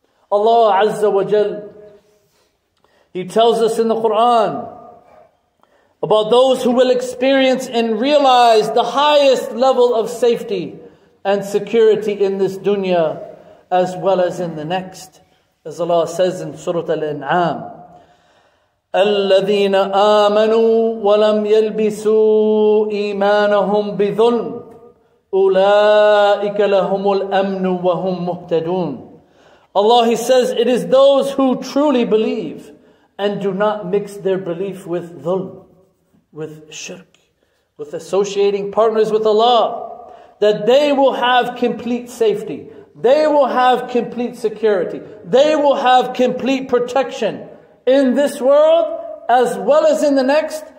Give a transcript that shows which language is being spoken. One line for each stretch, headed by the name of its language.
English: Allah Azza wa Jal, He tells us in the Quran about those who will experience and realize the highest level of safety and security in this dunya as well as in the next. As Allah says in Surah Al-An'am,
Arabic: الَّذِينَ آمَنُوا وَلَمْ يَلْبِسُوا إِيمَانَهُمْ بِظُلْمٍ أُولَٰئِكَ لَهُمُ الْأَمْنُ وَهُمْ مُهْتَدُونَ.
English: Allah, He says, it is those who truly believe and do not mix their belief with dhulm, with shirk, with associating partners with Allah, that they will have complete safety. They will have complete security. They will have complete protection in this world as well as in the next.